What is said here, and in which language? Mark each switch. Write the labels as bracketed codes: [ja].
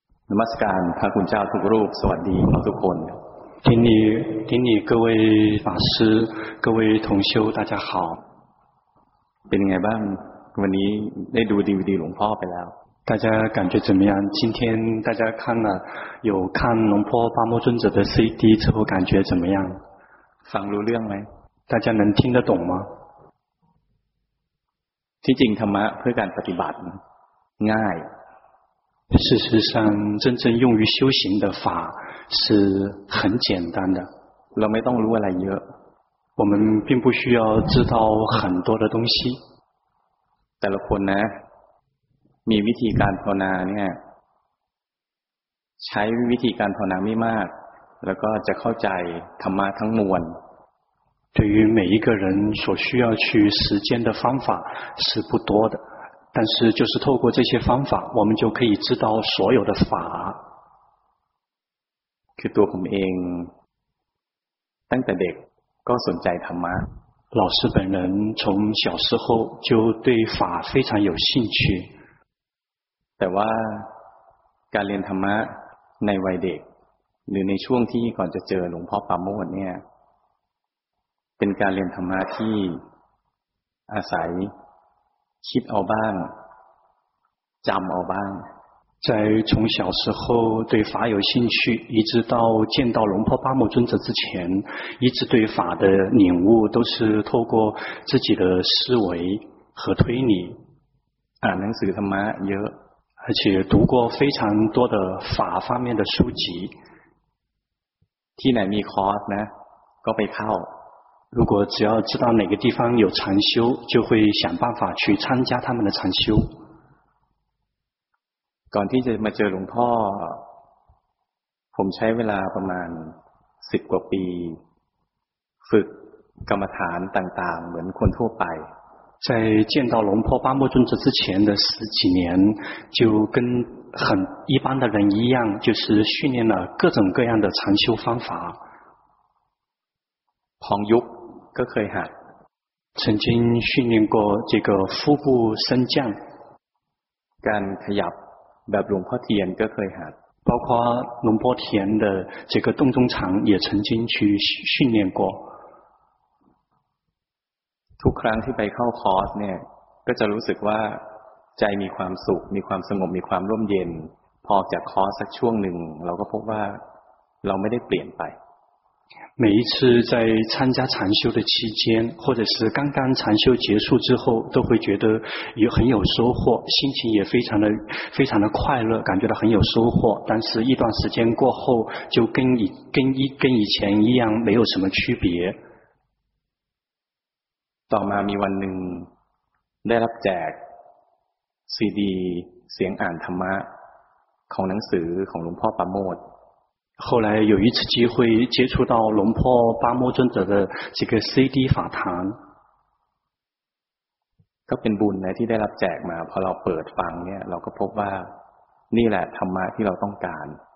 [th] นมัสการพระคุณเจ้าทุกรูปสวัสดีทุกคน [zh] 顶礼顶礼各位法师各位同修大家好 [th] เป็นไงบ้างวันนี้ได้ดูดีวีดีหลวงพ่อไปแล้ว [zh] 大家感觉怎么样今天大家看了有看龙坡巴莫尊者的 CD 之后感觉怎么样 [th] ฟังรู้เรื่องไหม [zh] 大家能听得懂吗 [th] ที่จริงธรรมะเพื่อการปฏิบัติง่าย [zh] 事实上真正用于修行的法是很简单的 [th] เราไม่ต้องรู้อะไรเยอะ [zh] 我们并不需要知道很多的东西 [th] แต่ละคนนะมีวิธีการภาวนาเนี่ยใช้วิธีการภาวนาไม่มากแล้วก็จะเข้าใจธรรมะทั้งมวล [zh] 对于每一个人所需要去实践的方法是不多的但是就是透过这些方法我们就可以知道所有的法 [th] คือตัวผมเองตั้งแต่เด็กก็สนใจธรรมะ [zh] 老师本人从小时候就对法非常有兴趣 [th] แต่ว่าการเรียนธรรมะในวัยเด็กหรือในช่วงที่ก่อนจะเจอหลวงพ่อปาโมทย์เนี่ยเป็นการเรียนธรรมะที่อาศัยคิดเอาบ้างจำเอาบ้าง [zh] 在从小时候对法有兴趣一直到见到龙婆巴木尊者之前一直对法的领悟都是透过自己的思维和推理啊能使他们也而且读过非常多的法方面的书籍 [th] ที่ไหนมีคอร์สนะก็ไปเข้า [zh] 如果只要知道哪个地方有禅修就会想办法去参加他们的禅修 [th] ก่อนที่จะมาเจอหลวงพ่อผมใช้เวลาประมาณ10กว่าปีฝึกกรรมฐานต่างๆเหมือนคนทั่วไป [zh] 在见到龙婆巴莫尊者之前的十几年就跟很一般的人一样就是训练了各种各样的禅修方法 [th] 旁ยุกก็เคยหัด [zh] 曾经训练过这个腹部升降 [th] การขยับแบบหลวงพ่อเทียนก็เคยหัด [zh] 包括龙婆田的这个洞中禅也曾经去训练过 [th] ทุกครั้งที่ไปเข้าคอร์สเนี่ยก็จะรู้สึกว่าใจมีความสุขมีความสงบมีความร่มเย็นพอจากคอร์สสักช่วงหนึ่งเราก็พบว่าเราไม่ได้เปลี่ยนไป [zh] 每一次在参加禅修的期间或者是刚刚禅修结束之后都会觉得也很有收获心情也非常的快乐感觉到很有收获但是一段时间过后就跟以前一样没有什么区别 [th] ต่อมามีวันหนึ่งได้รับแจก CD เสียงอ่านธรรมะของหนังสือของหลวงพ่อปาโมท [zh] 后来有一次机会接触到龙婆巴莫尊者的这个 CD 法坛 [th] ก็เป็นบุญนะที่ได้รับแจกมาพอเราเปิดฟังเนี่ยเราก็พบว่านี่แหละธรรมะที่เราต้องการ